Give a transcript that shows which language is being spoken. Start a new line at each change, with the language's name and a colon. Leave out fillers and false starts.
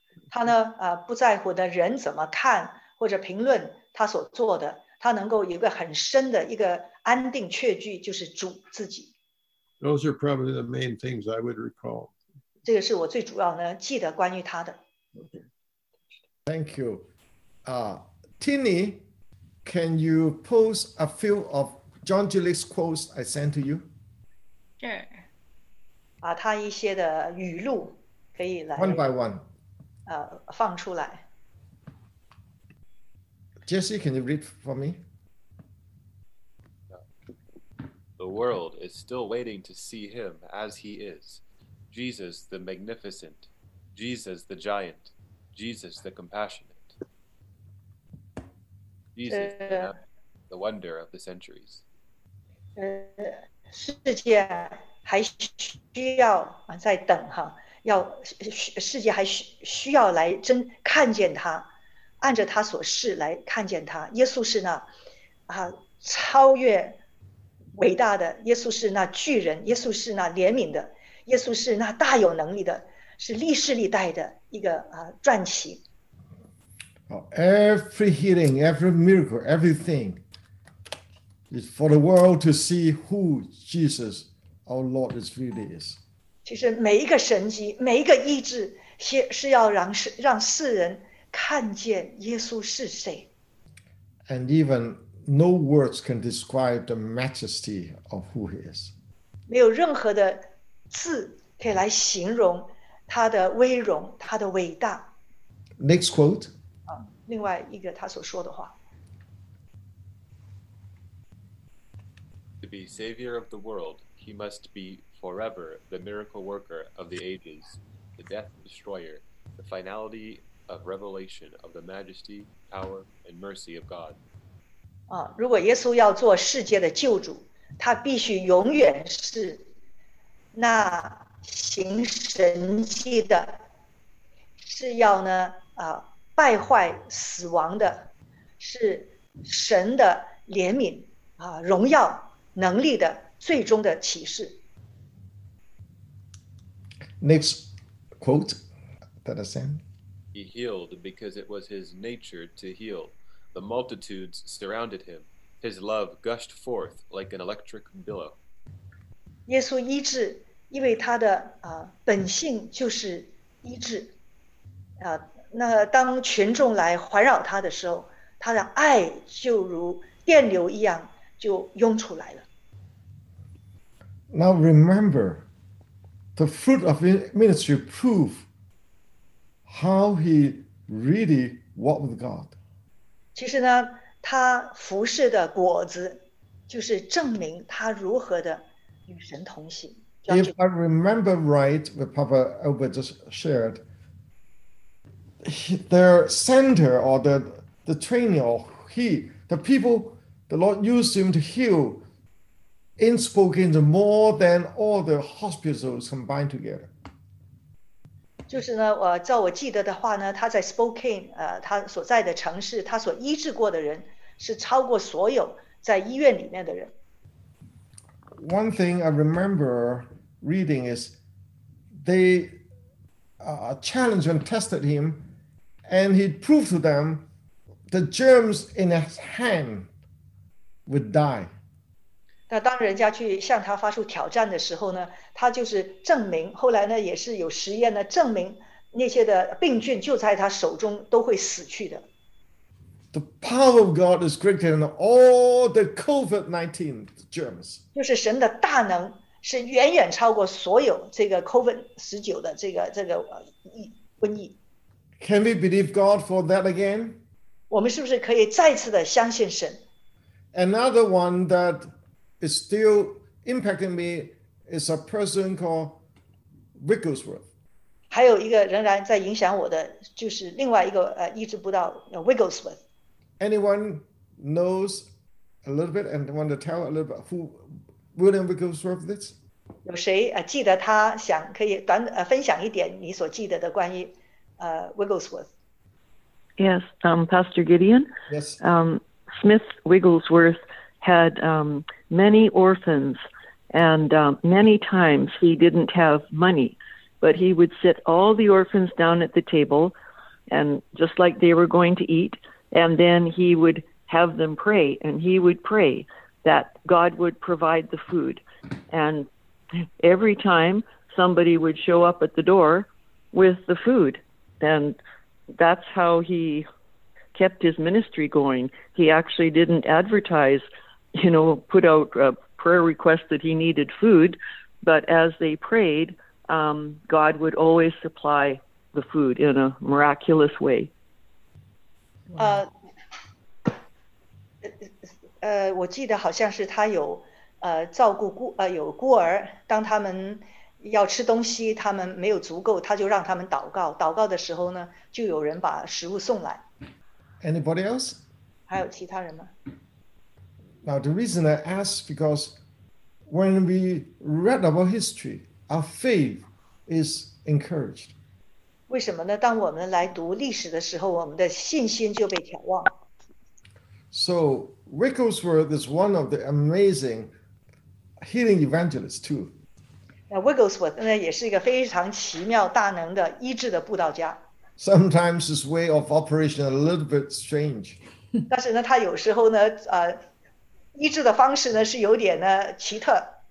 Chinese: 他呢，不在乎的人怎么看或者评论他所做的，他能够有个很深的一个安定确据，就是主自己。
English: Those are probably the main things I would recall.
Chinese: 这个是我最主要呢记得关于他的。
English: Thank you. Tini, can you post a few of John G. Lake's quotes I sent to you? Sure.
Chinese: 他一些的语录可以来
English: one by one.
Chinese: 放出来。
English: Jesse, can you read for me? The world is still waiting to see him as he is. Jesus the magnificent, Jesus the giant, Jesus the compassionate. Jesus the wonder of the centuries.
Chinese: 世界还需要在等哈，要世界还需要来真看见他，按着他所示来看见他。耶稣是那超越伟大的，耶稣是那巨人，耶稣是那怜悯的，耶稣是那大有能力的，是历世历代的一个传奇。
English: Every healing, every miracle, everything. It's for the world to see who Jesus, our Lord, really is.
Chinese: 其实每一个神迹，每一个医治，是要让世人看见耶稣是谁。
English: And even no words can describe the majesty of who he is.
Chinese: 没有任何的字可以来形容他的威荣，他的伟大。
English: Next quote.
Chinese: 另外一个他所说的话。
English: To be savior of the world, he must be forever the miracle worker of the ages, the death destroyer, the finality of revelation of the majesty, power, and mercy of God.
Chinese: 如果耶稣要做世界的救主，他必须永远是那行神迹的，是要呢败坏死亡的，是神的怜悯荣耀。能力的最终的启示。
English: Next quote that I send. He healed because it was his nature to heal. The multitudes surrounded him. His love gushed forth like an electric billow.
Chinese: 耶稣医治，因为他的本性就是医治。那当群众来环绕他的时候，他的爱就如电流一样就涌出来了。
English: Now remember, the fruit of ministry prove how he really walked with God.
Chinese: 其实呢，他服侍的果子就是证明他如何的与神同行。
English: If I remember right, what Papa Albert just shared, their center or the trainer or he, the people the Lord used him to heal in Spokane more than all the hospitals combined together.
Chinese: 就是呢，照我记得的话呢，他在 Spokane, 他所在的城市，他所医治过的人是超过所有在医院里面的人。
English: One thing I remember reading is they challenged and tested him, and he proved to them the germs in his hand would die.
Chinese: 那当人家去向他发出挑战的时候呢，他就是证明，后来呢也是有实验呢，证明那些的病菌就在他手中都会死去的。
English: The power of God is greater than all the COVID-19 germs.
Chinese: 就是神的大能是远远超过所有这个 COVID-19 的这个瘟疫。
English: Can we believe God for that again?
Chinese: 我们是不是可以再次的相信神？
English: Another one that is still impacting me is a person called Wigglesworth.
Chinese: 还有一个仍然在影响我的就是另外一个医治不到 Wigglesworth。
English: Anyone knows a little bit and want to tell a little bit who William Wigglesworth is?
Chinese: 有谁记得他想可以短分享一点你所记得的关于Wigglesworth?
English: Yes, Pastor Gideon. Yes. Smith Wigglesworth had many orphans, and many times he didn't have money, but he would sit all the orphans down at the table, and just like they were going to eat. And then he would have them pray, and he would pray that God would provide the food. And every time somebody would show up at the door with the food, and that's how he kept his ministry going. He actually didn't advertise, you know, put out a prayer request that he needed food, but as they prayed, God would always supply the food in a miraculous way.
Chinese: 我记得好像是他有照顾有孤儿，当他们要吃东西，他们没有足够，他就让他们祷告。祷告的时候呢，就有人把食物送来。
English: Anybody else?
Chinese: 还有其他人吗？
English: Now the reason I ask because when we read about history, our faith is encouraged.
Chinese: 为什么呢？当我们来读历史的时候，我们的信心就被挑旺。
English: So Wigglesworth is one of the amazing healing evangelists too.
Chinese: Wigglesworth 呢也是一个非常奇妙大能的医治的布道家。
English: Sometimes his way of operation is a little bit strange.
Chinese: 但是呢，他有时候呢，医治的方式呢是有点呢奇特。